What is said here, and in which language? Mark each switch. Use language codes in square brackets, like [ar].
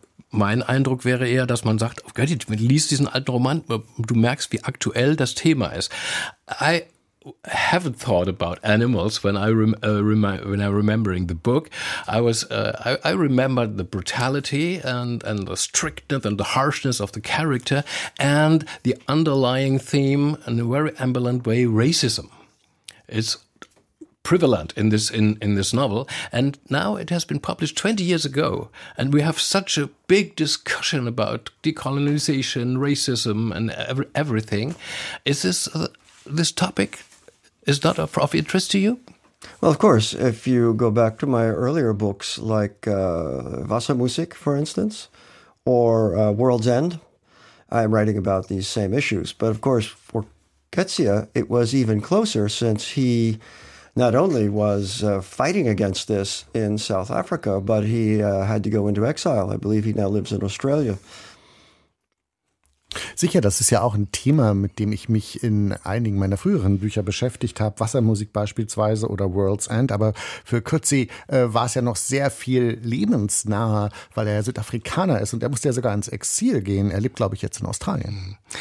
[de] Mein Eindruck wäre eher, dass man sagt, oh Gott, du liest diesen alten Roman, du merkst, wie aktuell das Thema ist. [en] I haven't thought about animals when I remembering the book. I remembered the brutality and the strictness and the harshness of the character and the underlying theme in a very ambivalent way, racism. It's prevalent in this novel, and now it has been published 20 years ago, and we have such a big discussion about decolonization, racism, and everything. Is this this topic is not of interest to you? Well, of course, if you go back to my earlier books, like Wassermusik, for instance, or World's End, I'm writing about these same issues. But of course, for Coetzee, it was even closer, since he not only was fighting against this in South Africa, but he had to go into exile. I believe he now lives in Australia. [de] Sicher, das ist ja auch ein Thema, mit dem ich mich in einigen meiner früheren Bücher beschäftigt habe, Wassermusik beispielsweise oder World's End, aber für Coetzee war es ja noch sehr viel lebensnaher, weil er Südafrikaner ist und er musste ja sogar ins Exil gehen. Er lebt, glaube ich, jetzt in Australien.